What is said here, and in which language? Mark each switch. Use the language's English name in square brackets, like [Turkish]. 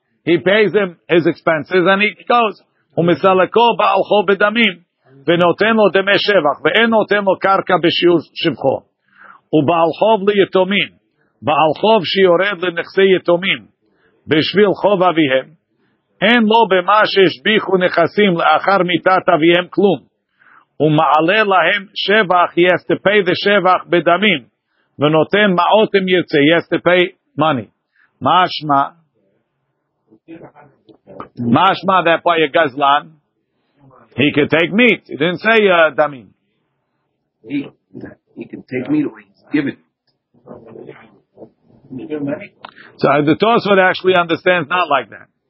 [English] He pays him his expenses and he goes. [Hebrew] ומסלקו בעל חוב בדמים ונותן לו דמי שבח ואין נותן לו קרקע בשיעור שבחו. ובעל חוב ליתומים, בעל חוב שיורד לנכסי יתומים בשביל חוב אביהם, אין לו במה שהשביחו נכסים לאחר מיטת אביהם כלום. ומעלה להם שבח, [English] he has to pay the [Hebrew] שבח בדמים ונותן מעות אם ירצה, [English] he has to pay money. [Hebrew] מה השמע? [English] Mashma, that by a gazlan, he could take meat. He didn't say damim. He can take meat or he's given. So the Tosfot actually understands not like that.